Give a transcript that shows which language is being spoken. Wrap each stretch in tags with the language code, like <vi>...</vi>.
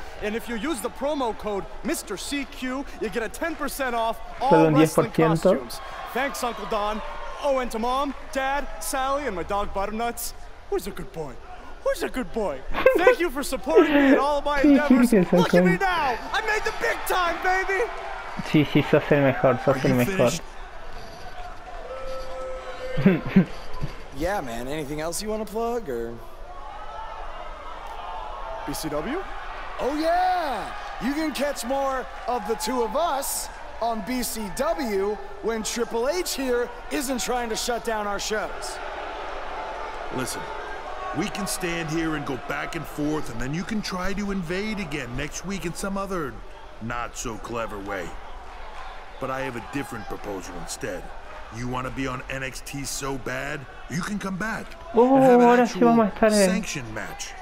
<en>And if you use the promo code Mr. CQ, you get a 10% off all wrestling costumes. Thanks, Uncle Don. Oh, and to Mom, Dad, Sally, and my dog Butternuts. Who's a good boy? Who's a good boy? Thank you for supporting me in all of my endeavors. Look at me now! I made the big time, baby!</en> <es>Sí, sí, sos el mejor, sos el mejor.</es> <en>Yeah, man. Anything else you want to plug or BCW? Oh yeah. You can catch more of the two of us on BCW when Triple H here isn't trying to shut down our shows. Listen. We can stand here and go back and forth and then you can try to invade again next week in some other not so clever way. but I have a different proposal instead. You want to be on NXT so bad, you can come back.</en> <es>Oh, ahora sí vamos a estar en sanction match.</es>